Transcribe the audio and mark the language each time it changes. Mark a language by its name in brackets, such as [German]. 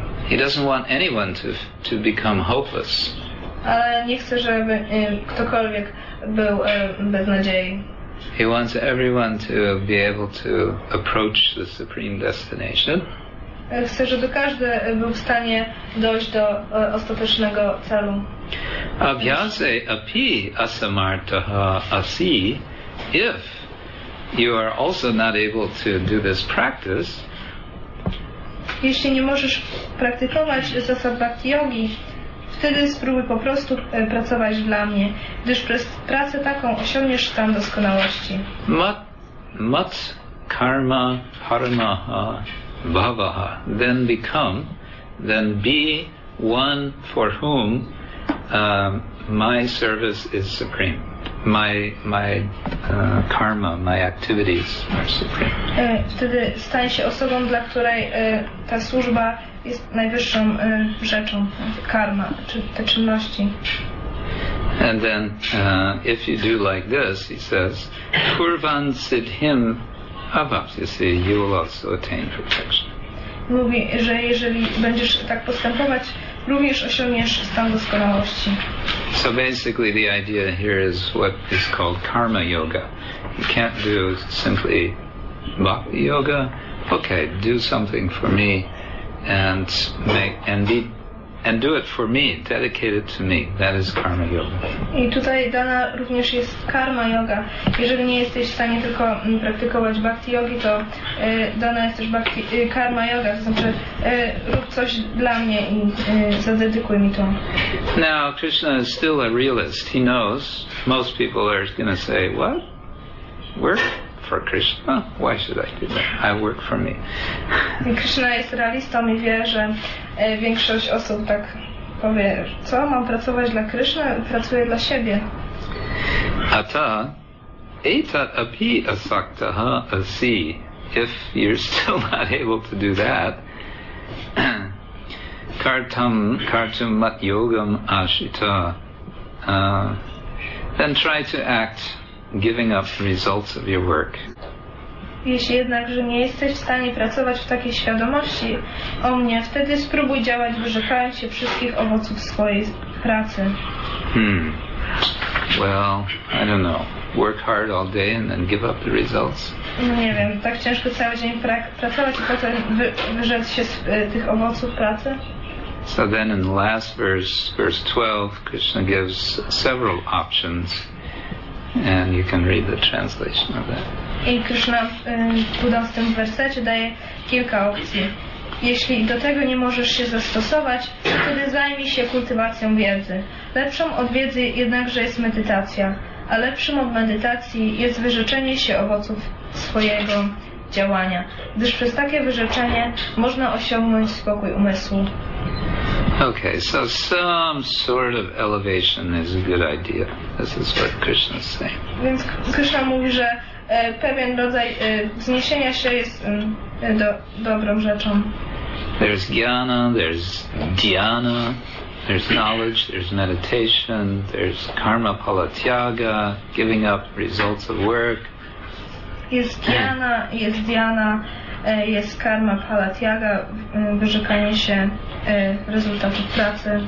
[English] He doesn't want anyone to become hopeless. [Polish] Ale nie chce, żeby ktokolwiek był bez nadziei. [English] He wants everyone to be able to approach the supreme destination. [Polish] Chcę, żeby każdy był w stanie dojść do ostatecznego celu. [Sanskrit] Avyase api asamartaha asi. [English] If you are also not able to do this practice, [Polish] jeśli nie możesz praktykować zasad bhakti yogi, wtedy spróbuj po prostu pracować dla mnie, gdyż przez pracę taką osiągniesz stan doskonałości. [Sanskrit] Mat karma paramaha bhavaha, [English] then become, then be one for whom my service is supreme. My karma, my activities are supreme. [Polish] Wtedy staj się osobą, dla której ta służba jest najwyższą rzeczą, karma, czy te czynności. [English] And then, if you do like this, he says, [Sanskrit] kurvan siddhim avapsisi, [English] you will also attain perfection. [Polish] Mówi, że jeżeli będziesz tak postępować, również osiągniesz stan doskonałości. [English] So basically the idea here is what is called karma yoga. You can't do simply bhakti yoga. Okay, do something for me and do it for me, dedicate it to me. That is karma yoga. [Polish] I tutaj dana również jest karma yoga. Jeżeli nie jesteś w stanie tylko praktykować bhakti yogi, to dana jest też bhakti, karma yoga. To znaczy rób coś dla mnie i zadedykuj mi to. [English] Now, Krishna is still a realist. He knows most people are going to say, what? Work for Krishna? Why should I do that? I work for me. [Polish] Krishna jest realistą i wie, że większość osób tak powie, co, mam pracować dla Krishna? Pracuję dla siebie. [Sanskrit] Ata etat api asaktaha asi. [English] If you're still not able to do that, [Sanskrit] kartam kartum mat yogam ashita, [English] then try to act giving up the results of your work. [Polish] Jeśli jednakże nie jesteś w stanie pracować w takiej świadomości o mnie, wtedy spróbuj działać, wyrzekając się wszystkich owoców swojej pracy. [English] Well, I don't know. Work hard all day and then give up the results. [Polish] Nie wiem, tak ciężko cały dzień pracować i potem wyrzec się z tych owoców pracy? [English] So then in the last verse, verse 12, Krishna gives several options. And you can read the translation of that. [Polish] I Krishna w tym wersecie daje kilka opcji. Jeśli do tego nie możesz się zastosować, wtedy zajmij się kultywacją wiedzy. Lepszą od wiedzy jednakże jest medytacja, a lepszym od medytacji jest wyrzeczenie się owoców swojego działania, gdyż przez takie wyrzeczenie można osiągnąć spokój umysłu. [English] Okay, so some sort of elevation is a good idea. This is what Krishna is saying. [Polish] Więc Krishna mówi, że pewien rodzaj wzniesienia się jest dobrą rzeczą. [English] There's jnana, there's dhyana, There's knowledge, there's meditation, there's karma phala tyaga, giving up results of work. [Polish] Jest dhyana, jest dhyana, jest karma phala tyaga, wyrzekanie się rezultatów pracy.